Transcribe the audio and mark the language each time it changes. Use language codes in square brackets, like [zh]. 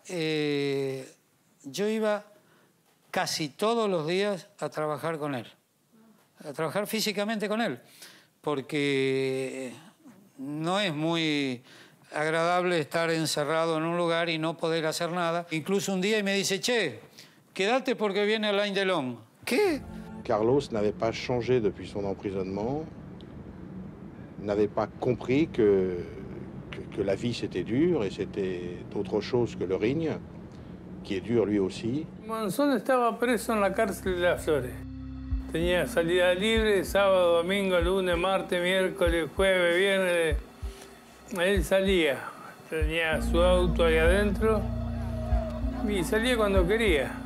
[es] Yo iba casi todos los días a trabajar con él, a trabajar físicamente con él, porque no es muy agradable estar encerrado en un lugar y no poder hacer nada. Incluso un día me dice: che, quédate porque viene Alain Delon. ¿Qué? [fr] Carlos n'avait pas changé depuis son emprisonnement, n'avait pas compris que la vie c'était dur et c'était autre chose que le rigne, qui est dur lui aussi. [es] Monzón estaba preso en la cárcel de Las Flores. Tenía salida libre, sábado, domingo, lunes, martes, miércoles, jueves, viernes. Él salía, tenía su auto ahí adentro y salía cuando quería.